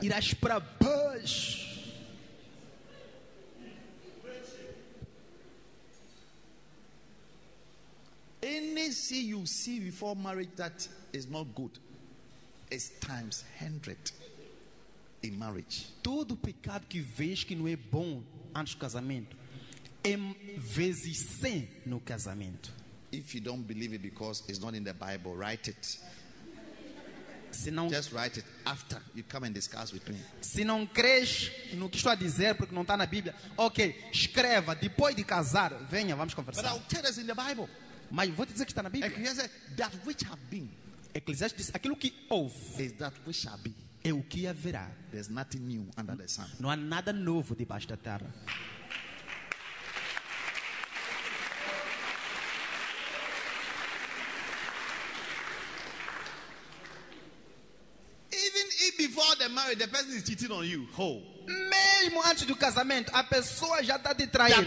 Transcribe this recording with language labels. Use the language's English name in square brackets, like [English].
[Portuguese] Irás para baixo. [English] Any sin you see before marriage that is not good, it's times 100 in marriage. [Portuguese] Todo pecado que vês que não é bom antes do casamento é vezes 100 no casamento. [English] If you don't believe it because it's not in the Bible, write it. [Portuguese] Se não, [English] just write it after you come and discuss with me. [Portuguese] Se não crês no que estou a dizer porque não está na Bíblia, ok, escreva depois de casar, venha, vamos conversar. [English] But I'll tell us in the Bible. [Portuguese] Mas vou te dizer que está na Bíblia. [English] Eclesiastes, that which have been. [Portuguese] Eclesiastes diz, aquilo que houve [English] is that which shall be. [Portuguese] É o que haverá. [English] There's nothing new under the sun. [Portuguese] Não há nada novo debaixo da terra. [English] Even if before the marriage the person is cheating on you, ho. [Portuguese] Mesmo antes do casamento, a pessoa já está te traindo.